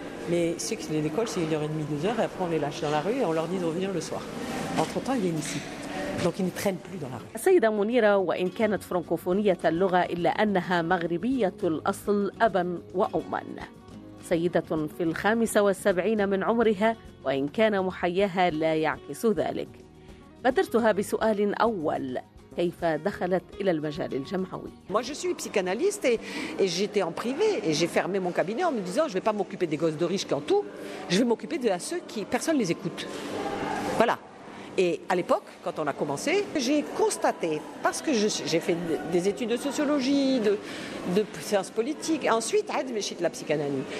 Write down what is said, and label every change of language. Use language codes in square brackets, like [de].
[fr] Mais ceux qui viennent à l'école, c'est 1h30, 2h, et après on les lâche dans la rue et on leur dit de revenir le soir. Entre-temps, ils viennent ici. Donc ils ne traînent plus dans la rue. [ar] السيدة منيرة وإن كانت فرنكوفونية اللغة إلا أنها مغربية الأصل أبا وأما. سيدة في 75 من عمرها، وإن كان محياها لا يعكس ذلك. بدرتها بسؤال أول: كيف دخلت إلى المجال الجمعوي؟ [fr] Moi je suis psychanalyste et j'étais en privé et j'ai fermé mon cabinet en me disant je vais pas m'occuper des gosses de riches qui ont tout, je vais m'occuper de ceux qui personne les écoute. Voilà. Et à l'époque quand on a commencé, j'ai constaté parce que j'ai fait des études de sociologie, de sciences politiques et ensuite admis chez la psychanalyse.